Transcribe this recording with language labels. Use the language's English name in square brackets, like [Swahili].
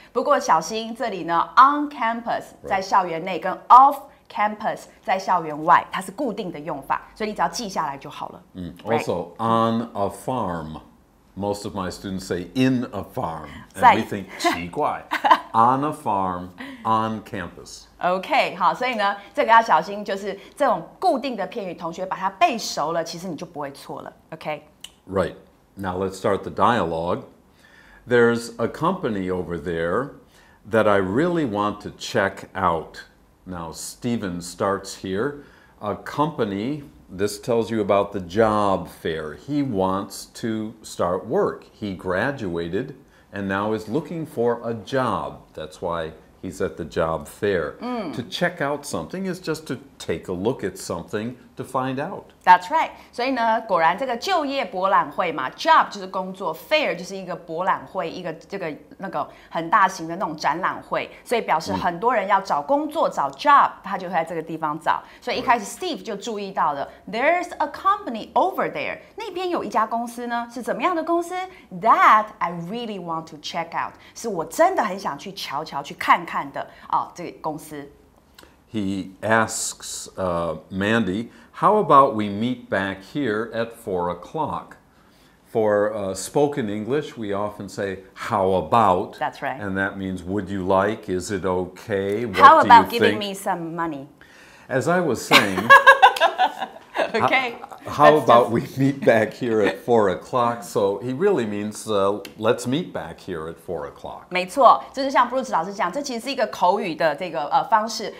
[Chinese] 不过小心这里呢 ，on campus 在校园内跟 off campus 在校园外，它是固定的用法，所以你只要记下来就好了。 [English] Right? Also on a farm, most of my students say in a farm, and we think 奇怪。 On a farm, on campus. [Chinese] OK, 好，所以呢，这个要小心，就是这种固定的片语，同学把它背熟了，其实你就不会错了。 [English] OK. Right. Now let's start the dialogue. There's a company over there that I really want to check out. Now, Stephen starts here. A company, this tells you about the job fair. He wants to start work. He graduated. And now is looking for a job. That's why he's at the job fair. Mm. To check out something is just to take a look at something to find out. That's right. [Chinese] 所以呢，果然这个就业博览会嘛 ，job 就是工作 ，fair 就是一个博览会，一个这个那个很大型的那种展览会。所以表示很多人要找工作，找 job， 他就会在这个地方找。所以一开始 Steve 就注意到了 ， [English] There's a company over there. [Chinese] 那边有一家公司呢，是怎么样的公司 ？ [English] That I really want to check out. [Chinese] 是我真的很想去瞧瞧、去看看的啊、哦，这个公司。 [English] He asks Mandy, how about we meet back here at 4 o'clock? For spoken English, we often say, how about? That's right. And that means, would you like? Is it okay? What do you think? How about giving me some money? As I was saying, okay. How about we meet back here at 4 o'clock? So he really means, let's meet back here at 4 o'clock. [Chinese] 没错，就是像 Bruce 老师讲，这其实是一个口语的这个方式。